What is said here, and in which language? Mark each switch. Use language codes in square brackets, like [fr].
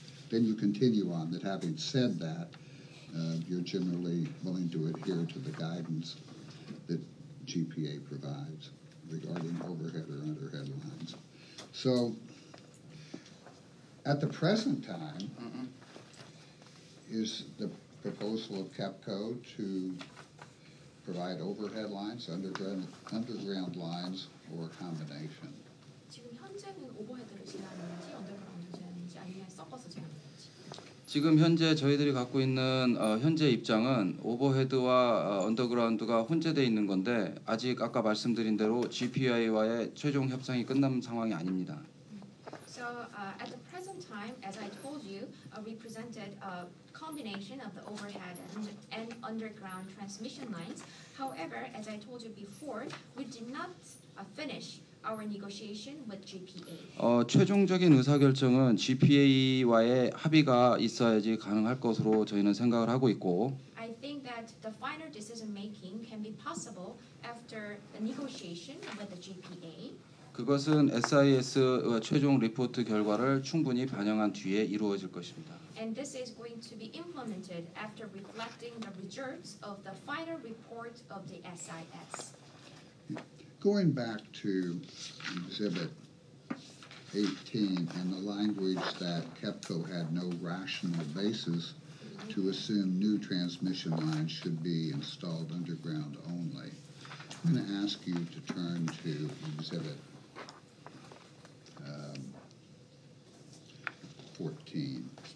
[en] Then you continue on that having said that, you're generally willing to adhere to the guidance that GPA provides regarding overhead or underhead lines. So at the present time, is the proposal of KEPCO to provide overhead lines, underground lines, or a combination? [ko] 지금 현재는 오버헤드를 제안하는지, 언더그라운드 제안인지, 아니면 서커스 제안인지? 지금 현재 저희들이 갖고 있는 현재 입장은 오버헤드와 언더그라운드가 혼재되어 있는 건데 아직 아까 말씀드린 대로 GPI와의 최종 협상이 끝난 상황이 아닙니다. [en] So at the present time, as I told you, we presented a combination of the overhead and underground transmission lines. However, as I told you before, we did not finish our negotiation with GPA. [ko] 최종적인 의사결정은 GPA와의 합의가 있어야지 가능할 것으로 저희는 생각을 하고 있고. [en] I think that the final decision making can be possible after the negotiation with the GPA. [ko] 그것은 SIS 최종 리포트 결과를 충분히 반영한 뒤에 이루어질 것입니다. [en] And this is going to be implemented after reflecting the results of the final report of the SIS. Going back to Exhibit 18 and the language that KEPCO had no rational basis to assume new transmission lines should be installed underground only, I'm going to ask you to turn to Exhibit 14.